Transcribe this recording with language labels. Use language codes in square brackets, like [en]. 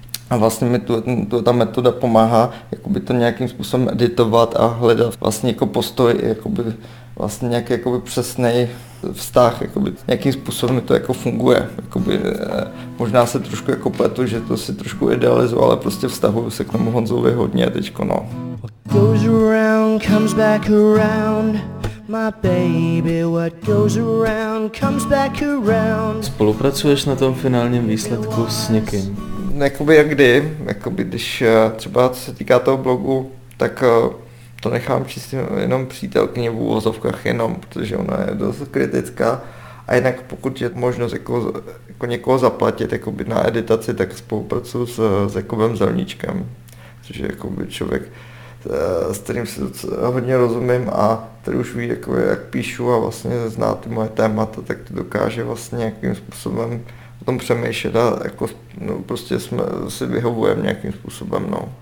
[cs] A vlastně mi ta metoda pomáhá jakoby to nějakým způsobem editovat a hledat vlastně jako postoj, jakoby vlastně nějaký jakoby přesný vztah, jakoby nějakým způsobem mi to jako funguje. Jakoby, možná se trošku jako pletu, že to si trošku idealizuje, ale prostě vztahuju se k tomu Honzovi hodně teďko, no. [en] What goes around, comes back around. My baby, what goes around, comes back around. [cs] Spolupracuješ na tom finálním výsledku s někým? Jakoby jak kdy, jakoby když třeba co se týká toho blogu, tak to nechám čistě jenom přítelkyně v úvozovkách jenom, protože ona je dost kritická. A jinak pokud je možnost jako někoho zaplatit jakoby na editaci, tak spolupracuju s Jakubem Zelníčkem, což je jakoby člověk, s kterým se hodně rozumím a který už ví, jak píšu a vlastně zná ty moje témata, tak to dokáže vlastně nějakým způsobem o tom přemýšlet a jako, no, prostě si vyhovujeme nějakým způsobem. No.